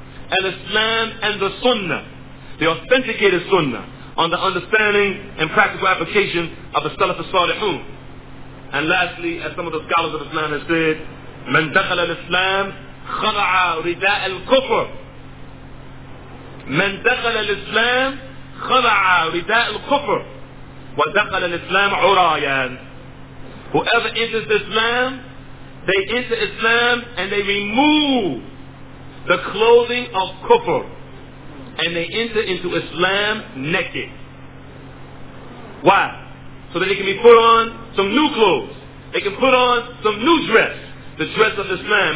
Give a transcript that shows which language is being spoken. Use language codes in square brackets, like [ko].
[en] Al-Islam and the Sunnah, the authenticated Sunnah, on the understanding and practical application of the Salaf al-Salihun. And lastly, as some of the scholars of Islam have said, [ar] من دخل الإسلام خضع رداء الكفر. من دخل الإسلام خضع رداء الكفر ودخل الإسلام عرايا. [en] Whoever enters Islam, they enter Islam and they remove the clothing of kufr, and they enter into Islam naked. Why? So that they can be put on some new clothes. They can put on some new dress. The dress of Islam.